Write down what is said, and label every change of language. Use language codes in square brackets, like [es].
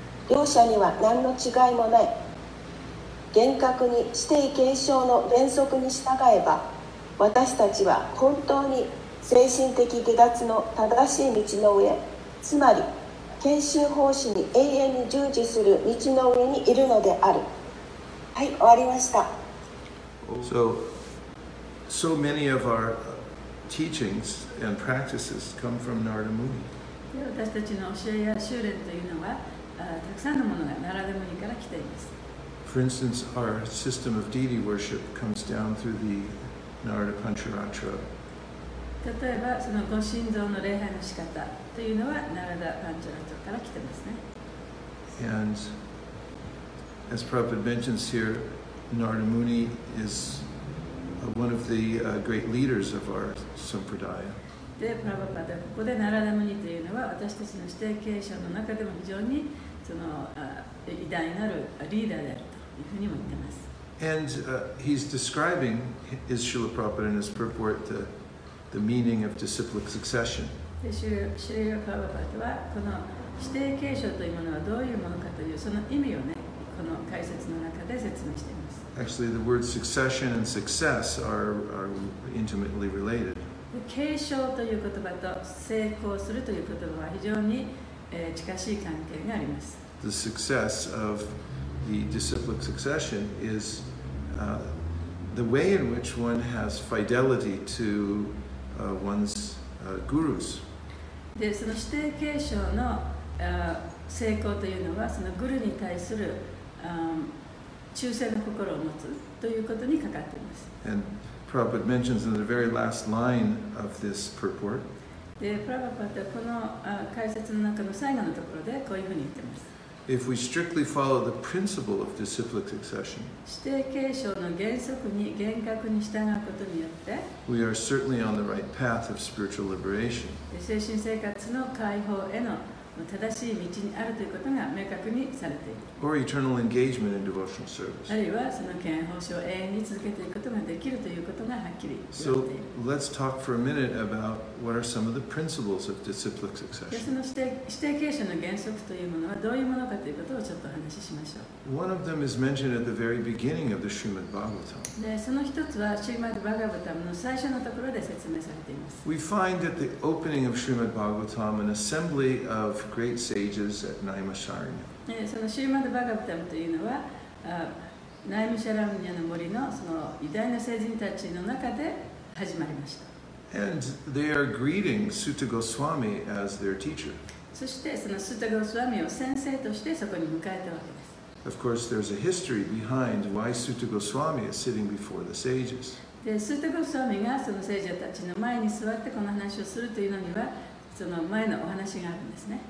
[ja] 両者には何の違いもない。厳格に指定継承の原則に従えば、私たちは本当に精神的下脱の正しい道の上、つまり研修奉仕に永遠に従事する道の上にいるのである。はい、終わりました。 [en] So many of our teachings and practices come from Narada Muni. [ja] 私たちの教えや修練というのは、たくさんのものがナラダムニから来ています。 [en] For instance, our system of deity worship comes down through the Narada Pancharatra. [ja] 例えば、そのご神道の礼拝の仕方というのはナラダパンチャラトから来ていますね。 [en] And as Prabhupada mentions here, Narada Muni is one of the great leaders of our sampradaya. [ja] で、プラバパダ、ここでナラダムニというのは私たちの指定継承の中でも非常にその偉大なるリーダーであるというふうにも言ってます。 [en] And he's describing his Srila Prabhupada in his purport the meaning of disciplic succession. [ja] で、シュリラプラバパダはこの指定継承というものはどういうものかというその意味をね、この解説の中で説明しています。 [en] Actually, the words succession and success are intimately related. [ja] 継承という言葉と成功するという言葉は非常に、近しい関係があります。 [en] The success of the disciplic succession is the way in which one has fidelity to one's gurus. [ja] で、その指定継承の成功というのはそのグルに対する忠誠の心を持つということにかかっています。 [en] And Prabhupada mentions in the very last line of this purport. [ja] で、プラバパダはこの解説の中の最後のところでこういうふうに言っています。 [en] If we strictly follow the principle of disciplic succession, [ja] 指定継承の原則に厳格に従うことによって、 [en] we are certainly on the right path of spiritual liberation. [ja] 精神生活の解放への正しい道にあるということが明確にされている。 [en] Or eternal engagement in devotional service. [ja] あるいはその権威奉仕を永遠に続けていくことができるということがはっきり言われている。 [en] So let's talk for a minute about what are some of the principles of disciplic succession. [ja] その指定継承の原則というものはどういうものかということをちょっとお話ししましょう。 [en] One of them is mentioned at the very beginning of the Srimad Bhagavatam. [ja] で、その一つは Srimad Bhagavatam の最初のところで説明されています。 [en] We find at the opening of Srimad Bhagavatam an assembly ofOf great sages at Naimisharanya. [ja] そのシューマド・バガブタムというのは、ナイムシャラムニャの森のその偉大な聖人たちの中で始まりました。 [en] And they are greeting Sutta Goswami as their teacher. [ja] そしてそのスタゴスワミを先生としてそこに迎えたわけです。 [en] Of course, there's a history behind why Sutta Goswami is sitting before the sages. [ja] で、スタゴスワミがその聖者たちの前に座ってこの話をするというのには。その前のお話があるんですね。